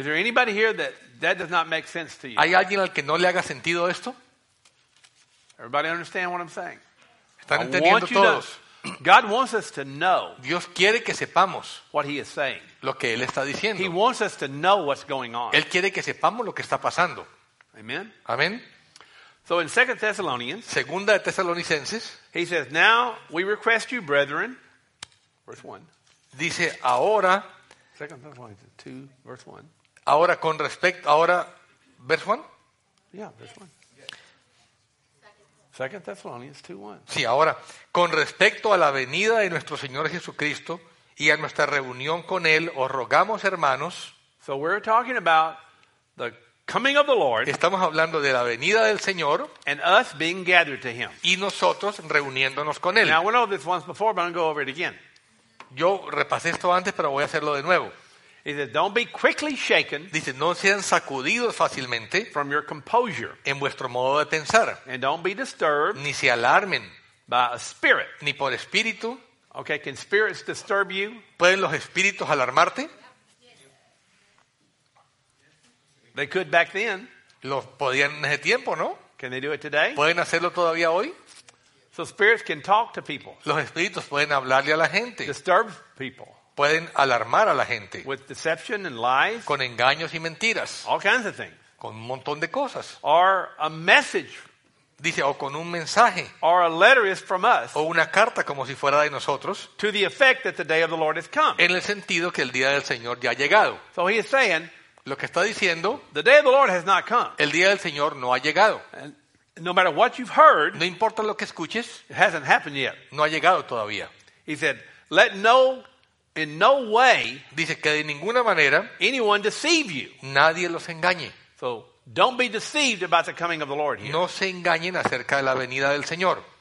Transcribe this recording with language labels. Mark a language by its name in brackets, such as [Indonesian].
[English] Is there anybody here that does not make sense to you? [Spanish] ¿Hay alguien al que no le haga sentido esto? [English] Everybody understand what I'm saying? [Spanish] ¿Están entendiendo todos? [English] God wants us to know. [Spanish] Dios quiere que sepamos [English] what he is saying. [Spanish] Lo que él está diciendo. [English] He wants us to know what's going on. [Spanish] Él quiere que sepamos lo que está pasando. [English] Amen. [Spanish] Amén. [English] So in 2 Thessalonians, [Spanish] Segunda de Tesalonicenses, [English] he says, "Now we request you, brethren," verse 1. [Spanish] Dice, "Ahora," [English] 2 Thessalonians 2 verse 1. [Spanish] Ahora con respecto, ahora, [English] verse 1? Yeah, verse 1. 2 Thessalonians 2:1. [Spanish] Sí, ahora, con respecto a la venida de nuestro Señor Jesucristo y a nuestra reunión con Él, os rogamos, hermanos. [English] So we're talking about the coming of the Lord. [Spanish] Estamos hablando de la venida del Señor. [English] And us being gathered to Him. [Spanish] Y nosotros reuniéndonos con Él. [English] Now, we know this once before, but I'm going to go over it again. [Spanish] Yo repasé esto antes, pero voy a hacerlo de nuevo. [English] He says, "Don't be quickly shaken." [Spanish] Dice, no sean sacudidos fácilmente. [English] From your composure. [Spanish] En vuestro modo de pensar. [English] And don't be disturbed. [Spanish] Ni se alarmen. [English] By a spirit. [Spanish] Ni por espíritu. [English] Okay, can spirits disturb you? [Spanish] ¿Pueden los espíritus alarmarte? [English] They could back then. [Spanish] Los podían en ese tiempo, ¿no? [English] Can they do it today? [Spanish] ¿Pueden hacerlo todavía hoy? [English] So spirits can talk to people. [Spanish] Los espíritus pueden hablarle a la gente. [English] Disturb people. [Spanish] Pueden alarmar a la gente. [English] With deception and lies. [Spanish] Con engaños y mentiras. [English] All kinds of things. [Spanish] Con un montón de cosas. [English] Or a message. [Spanish] Dice, o con un mensaje. [English] Or a letter is from us. [Spanish] O una carta como si fuera de nosotros. [English] To the effect that the day of the Lord has come. [Spanish] En el sentido que el día del Señor ya ha llegado. [English] So he is saying, [Spanish] lo que está diciendo, [English] the day of the Lord has not come. [Spanish] El día del Señor no ha llegado. And [English] no matter what you've heard, [Spanish] no importa lo que escuches, [English] it hasn't happened yet. [Spanish] No ha llegado todavía. [English] He said, let no in no way, [Spanish] dice que de ninguna manera, [English] anyone deceive you. [Spanish] Nadie los engañe. [English] So, don't be deceived about the coming of the Lord here. [Spanish] No se engañen acerca de la venida del Señor.